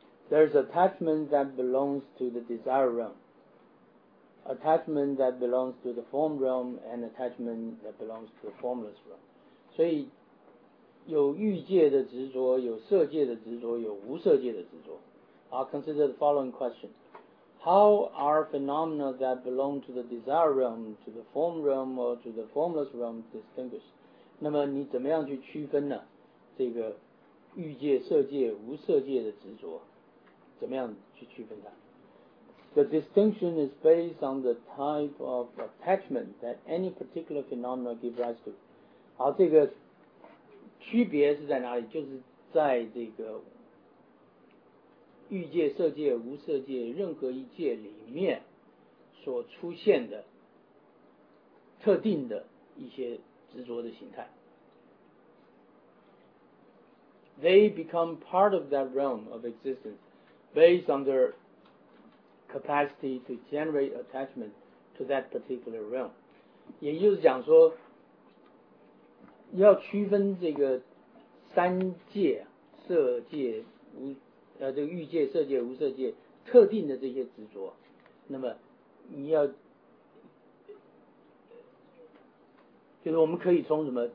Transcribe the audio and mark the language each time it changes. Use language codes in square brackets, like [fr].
[en] There's attachment that belongs to the desire realm， attachment that belongs to the form realm， and attachment that belongs to the formless realm。 所以 [zh] 有欲界的执着，有色界的执着，有无色界的执着。 [en] I'll consider the following question. How are phenomena that belong to the desire realm, to the form realm, or to the formless realm distinguished? [zh] 那么你怎么样去区分呢？这个欲界、色界、无色界的执着，怎么样去区分它？ [en] The distinction is based on the type of attachment that any particular phenomena give rise to. [zh] 好，这个区别是在哪里？就是在这个欲界、色界、无色界任何一界里面所出现的特定的一些执着的形态。 [en] They become part of that realm of existence based on their capacity to generate attachment to that particular realm. [zh] 也就是讲说，要区分这个三界、色界、这个欲界、色界、无色界特定的这些执着，那么你要就是我们可以从什么？